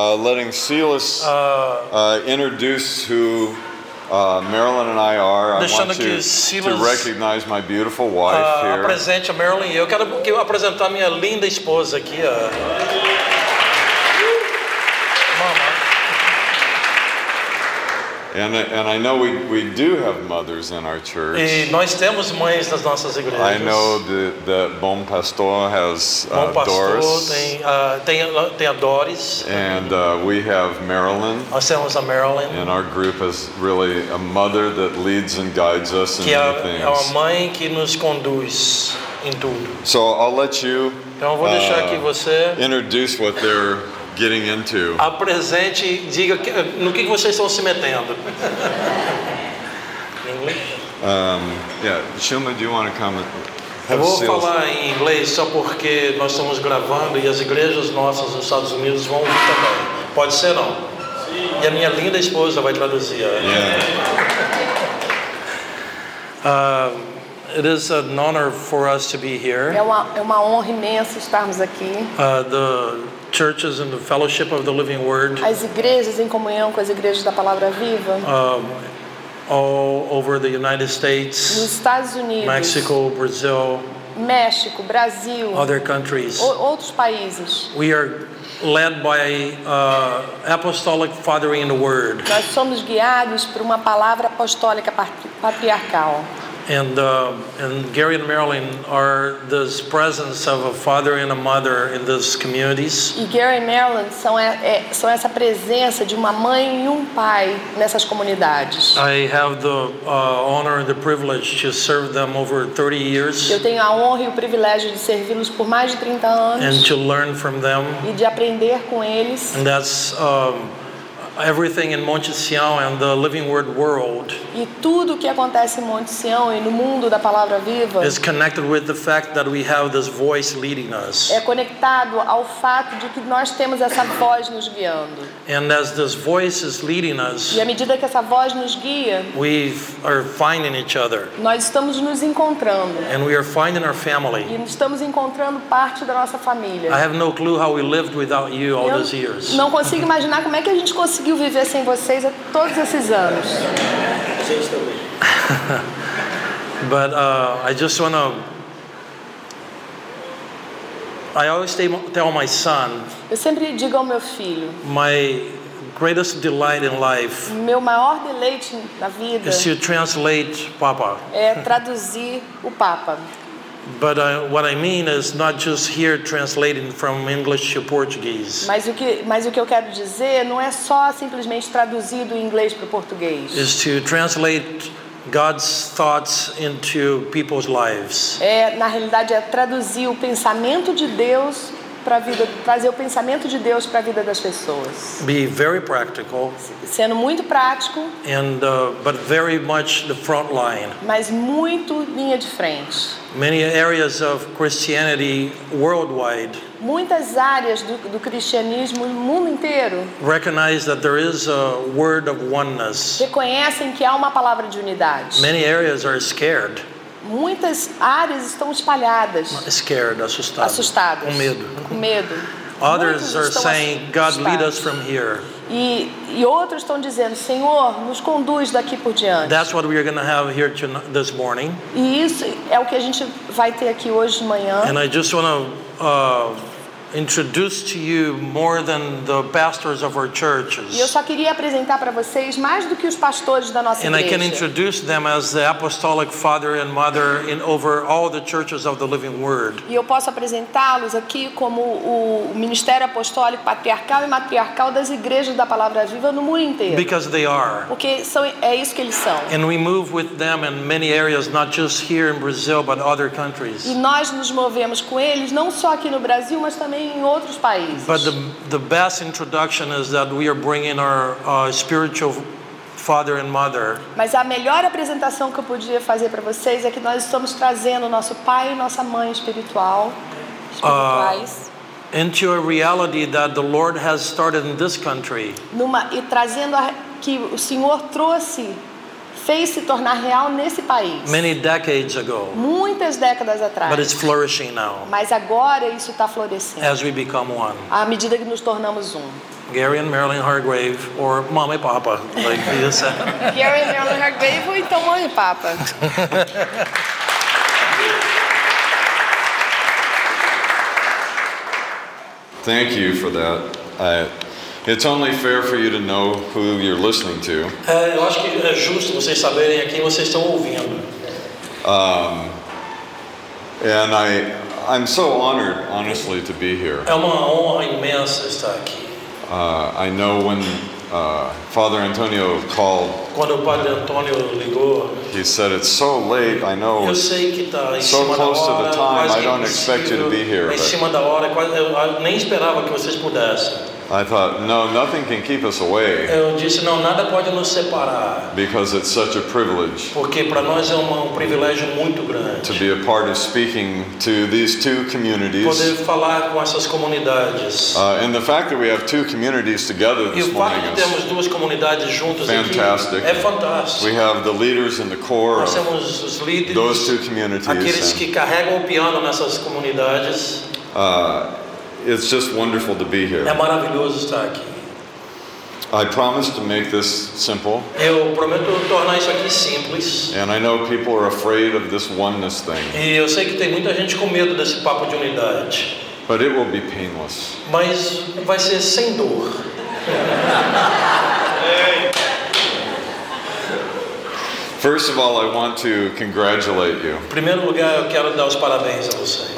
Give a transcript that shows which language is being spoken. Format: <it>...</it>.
<en>letting Silas introduce who Marilyn and I are. I want to, Silas, to recognize my beautiful wife here.</en> <pt>Apresente a Marilyn. Eu quero que eu apresentar minha linda esposa aqui.</pt> <en>Mama. And I know we do have mothers in our church.</en> <pt>E nós temos mães nas nossas igrejas.</pt> <en>I know the</en> <pt>bom pastor</pt> <en>has</en> <pt>bom pastor</pt> <en>Doris.</en> <pt>Tem a Doris.</pt> <en>And we have Marilyn.</en> <pt>Nós temos a Marilyn.</pt> <en>And our group is really a mother that leads and guides us</en> <pt>que</pt> <en>in many things.</en> <pt>É uma mãe que nos conduz em tudo.</pt> <en>So I'll let you</en> <pt>então vou deixar que você</pt> <en>introduce what they're getting into.</en> <pt>Apresente, diga no que vocês estão se metendo.</pt> <en>Shilma, do you want to come?</en> <pt>Vou falar em inglês só porque nós estamos gravando e as igrejas nossas nos Estados Unidos vão ouvir também. Pode ser não? Sim. E a minha linda esposa vai traduzir.</pt> <en>Yeah. It is an honor for us to be here.</en> <pt>É uma honra imensa estarmos aqui.</pt> <en>The churches and the fellowship of the living word.</en> <pt>As igrejas em comunhão com as igrejas da palavra viva.</pt> <en>All over the United States.</en> <pt>Nos Estados Unidos.</pt> <en>Mexico, Brazil.</en> <pt>México, Brasil.</pt> <en>Other countries.</en> <pt>Outros países.</pt> <en>We are led by apostolic fathering the word.</en> <pt>Nós somos guiados por uma palavra apostólica patriarcal.</pt> <en>And Gary and Marilyn are this presence of a father and a mother in these communities.</en> <pt>E Gary e Marilyn são essa presença de uma mãe e um pai nessas comunidades.</pt> <en>I have the honor and the privilege to serve them over 30 years.</en> <pt>Eu tenho a honra e o privilégio de servi-los por mais de 30 anos.</pt> <en>And to learn from them.</en> <pt>E de aprender com eles.</pt> <en>And that's everything in Monte Sião and the Living Word world.</en> <pt>E tudo o que acontece em Monte Sião e no mundo da palavra viva</pt> <en>is connected with the fact that we have this voice leading us.</en> <pt>É conectado ao fato de que nós temos essa voz nos guiando.</pt> <en>And as this voice is leading us,</en> <pt>e à medida que essa voz nos guia,</pt> <en>we are finding each other.</en> <pt>Nós estamos nos encontrando.</pt> <en>And we are finding our family.</en> <pt>E estamos encontrando parte da nossa família.</pt> <en>I have no clue how we lived without you all these years.</en> <pt>Não consigo imaginar como é que a gente conseguiu viver sem vocês há todos esses anos.</pt> <en>But I just want to I always tell my son.</en> <pt>Eu sempre digo ao meu filho.</pt> <en>My greatest delight in life.</en> <pt>Meu maior deleite na vida.</pt> <en>Is to translate Papa.</en> <pt>É traduzir o Papa.</pt> <en>But what I mean is not just here translating from English to Portuguese.</en> <pt>Mas o que eu quero dizer não é só simplesmente traduzir do inglês para o português.</pt> <en>Is to translate God's thoughts into people's lives.</en> <pt>É, na realidade, é traduzir o pensamento de Deus para a vida, trazer o pensamento de Deus para a vida das pessoas.</pt> <en>Be very practical.</en> <pt>Sendo muito prático.</pt> <en>And but very much the front line.</en> <pt>Mas muito linha de frente.</pt> <en>Many areas of Christianity worldwide.</en> <pt>Muitas áreas do cristianismo no mundo inteiro.</pt> <en>Recognize that there is a word of oneness.</en> <pt>Reconhecem que há uma palavra de unidade.</pt> <en>Many areas are scared.</en> <pt>Muitas áreas estão espalhadas.</pt> <en>Scared,</en> <pt>assustadas. Assustadas. Com medo. Com medo.</pt> <en>Others are saying, God lead us from here.</en> <pt>E outros estão dizendo, Senhor, nos conduz daqui por diante.</pt> <en>That's what we are going to have here this morning.</en> <pt>E isso é o que a gente vai ter aqui hoje de manhã.</pt> <en>And I just want to introduce to you more than the pastors of our churches.</en> <pt>E eu só queria apresentar para vocês mais do que os pastores da nossa igreja.</pt> <en>And I can introduce them as the apostolic father and mother in over all the churches of the living word.</en> <pt>E eu posso apresentá-los aqui como o ministério apostólico patriarcal e matriarcal das igrejas da palavra viva no mundo inteiro.</pt> <en>Because they are.</en> <pt>Porque são, é isso que eles são.</pt> <en>And we move with them in many areas, not just here in Brazil, but other countries.</en> <pt>E nós nos movemos com eles não só aqui no Brasil, mas também em outros países.</pt> <en>But the best introduction is that we are bringing our spiritual father and mother.</en> <pt>Mas a melhor apresentação que eu podia fazer para vocês é que nós estamos trazendo nosso pai e nossa mãe espiritual, espirituais.</pt> <en>Into a reality that the Lord has started in this country.</en> <pt>Numa, e trazendo a, que o Senhor trouxe, fez se tornar real nesse país.</pt> <en>Many decades ago.</en> <pt>Muitas décadas atrás.</pt> <en>But it's flourishing now.</en> <pt>Mas agora isso está florescendo.</pt> <en>As we become one.</en> <pt>À medida que nos tornamos um.</pt> <en>Gary and Marilyn Hargrave, or Mama and Papa, like you said.</en> <pt>Gary and Marilyn Hargrave, ou então Mama and Papa.</pt> <en>Thank you for that. It's only fair for you to know who you're listening to.</en> <pt>Eu acho que é justo vocês saberem a quem vocês estão ouvindo.</pt> <en>And I'm so honored, honestly, to be here.</en> <pt>É uma honra imensa estar aqui.</pt> <en>I know when Father Antonio called.</en> <pt>Quando o Padre Antonio ligou.</pt> <en>He said it's so late. I know.</en> <pt>Eu sei que tá em</pt> <en>so</en> <pt>cima</pt> <en>close</en> <pt>da hora,</pt> <en>to the time. I don't expect you to be here.</en> <pt>Em cima da hora, quase, eu nem esperava que vocês pudessem.</pt> <en>I thought, no, nothing can keep us away.</en> <pt>Eu disse, não, nada pode nos separar.</pt> <en>Because it's such a privilege.</en> <pt>Porque para nós é um privilégio muito grande.</pt> <en>To be a part of speaking to these two communities.</en> <pt>Poder falar com essas comunidades.</pt> <en>And the fact that we have two communities together this morning.</en> <pt>E o fato de termos duas comunidades juntas aqui.</pt> <en>Fantastic.</en> <pt>É fantástico.</pt> <en>We have the leaders in the core.</en> <pt>Nós temos os líderes.</pt> <en>Those two communities.</en> <pt>Aqueles que carregam o piano nessas comunidades.</pt> <en>It's just wonderful to be here.</en> <pt>É maravilhoso estar aqui.</pt> <en>I promise to make this simple.</en> <pt>Eu prometo tornar isso aqui simples.</pt> <en>And I know people are afraid of this oneness thing.</en> <pt>E eu sei que tem muita gente com medo desse papo de unidade.</pt> <en>But it will be painless.</en> <pt>Mas vai ser sem dor.</pt> <en>First of all, I want to congratulate you.</en> <pt>Em primeiro lugar, eu quero dar os parabéns a vocês.</pt>